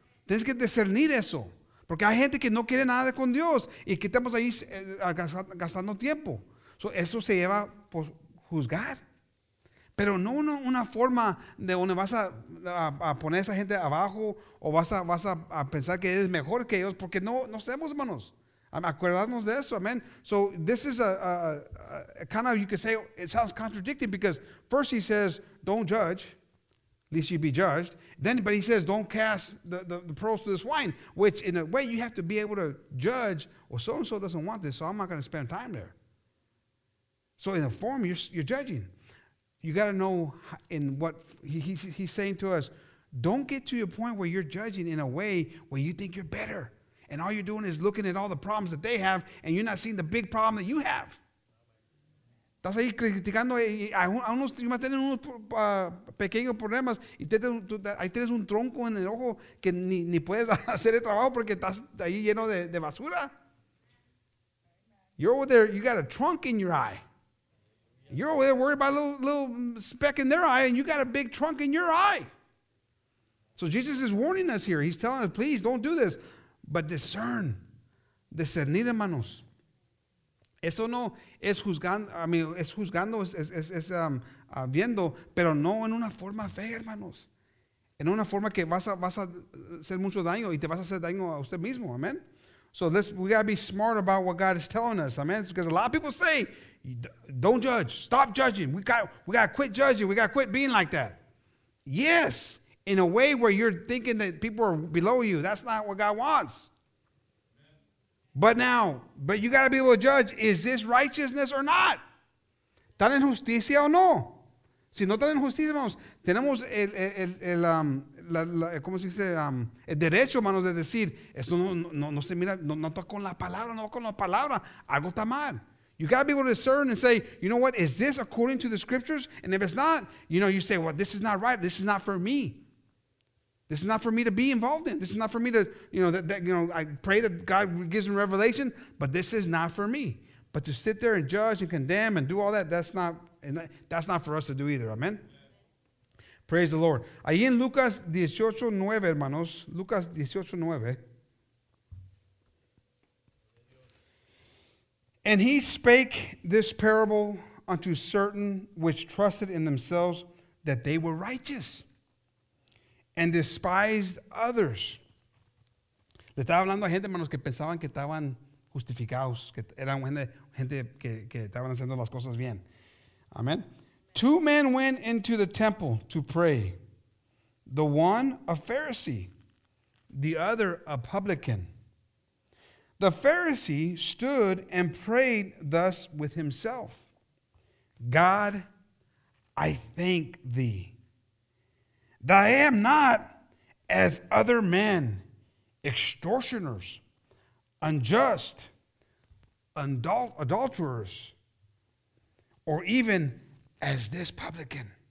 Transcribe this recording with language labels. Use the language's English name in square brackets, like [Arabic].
[Spanish] Tienes que discernir eso. Porque hay gente que no quiere nada con Dios y que estamos ahí gastando tiempo. So, eso se lleva por juzgar. Pero no una forma de donde vas a poner a esa gente abajo o vas a pensar que eres mejor que ellos, porque no sabemos, hermanos. Acuérdanos de eso, amen. [English] So this is a kind of, you could say, it sounds contradicting, because first he says, don't judge, lest you be judged. Then, but he says, don't cast the pearls to the swine, which in a way you have to be able to judge, well, so-and-so doesn't want this, so I'm not going to spend time there. So in a form, you're judging. You got to know in what he's saying to us, don't get to a point where you're judging in a way where you think you're better. And all you're doing is looking at all the problems that they have, and you're not seeing the big problem that you have. [Spanish] Estás ahí criticando a unos que más tienen unos pequeños problemas, y ahí tienes un tronco en el ojo que ni puedes hacer el trabajo porque estás ahí lleno de basura. [English] You're over there, you got a trunk in your eye. You're over there worried about a little speck in their eye, and you got a big trunk in your eye. So Jesus is warning us here. He's telling us, please don't do this. But discern. [Spanish] Discernir, hermanos. Eso no es juzgando, [English] I mean, [Spanish] es juzgando, viendo, pero no en una forma fea, hermanos. En una forma que vas a hacer mucho daño y te vas a hacer daño a usted mismo, amen. [English] So we got to be smart about what God is telling us, amen. Because a lot of people say, don't judge, stop judging. We got to quit judging. We got to quit being like that. Yes, in a way where you're thinking that people are below you. That's not what God wants. But you got to be able to judge, is this righteousness or not? [Spanish] ¿Están en justicia o no? Si no están en justicia, hermanos, tenemos el derecho, hermanos, de decir, esto no se mira, no toca con la palabra, no con la palabra, algo está mal. [English] You got to be able to discern and say, you know what, is this according to the scriptures? And if it's not, you know, you say, well, this is not right, this is not for me. This is not for me to be involved in. This is not for me to, you know, I pray that God gives me revelation, but this is not for me. But to sit there and judge and condemn and do all that, that's not for us to do either. [Spanish] Amen? [English] Praise the Lord. [Spanish] Ahí en Lucas 18:9, hermanos. Lucas 18:9. [English] And he spake this parable unto certain which trusted in themselves that they were righteous. And despised others. [Spanish] Le estaba hablando a gente, hermanos, que pensaban que estaban justificados, que eran gente que estaban haciendo las cosas bien. Amen. [English] Two men went into the temple to pray. The one a Pharisee, the other a publican. The Pharisee stood and prayed thus with himself. God, I thank thee. That I am not as other men, extortioners, unjust, adulterers, or even as this publican.